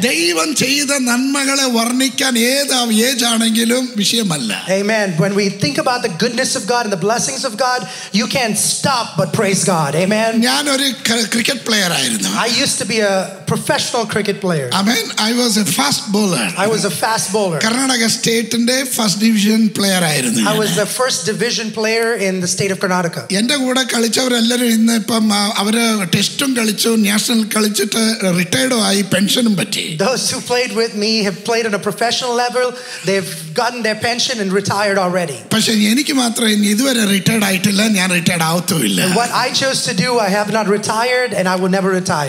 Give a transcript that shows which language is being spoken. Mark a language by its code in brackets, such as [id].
[ml] ദൈവം ചെയ്ത നന്മകളെ വർണ്ണിക്കാൻ ഏതാണെങ്കിലും വിഷയമല്ല. [en] Amen. When we think about the goodness of God and the blessings of God, you can't stop but praise God. Amen. [ml] ഞാൻ ഒരു ക്രിക്കറ്റ് പ്ലെയർ ആയിരുന്നു. [en] I used to be a professional cricket player. Amen. I was a fast bowler. Karnataka state-inte first division player ആയിരുന്നു. I was the first division player in the state of Karnataka. [ml] എന്റെ കൂടെ കളിച്ചവരെല്ലാവരും ഇന്ന് ഇപ്പം അവര് ടെസ്റ്റും കളിച്ചു, national കളിച്ചിട്ട് റിട്ടയർഡും ആയി, പെൻഷനും പറ്റി. [en] Those who played with me have played on a professional level. They've gotten their pension and retired already. And what I chose to do, I have not retired and I will never retire.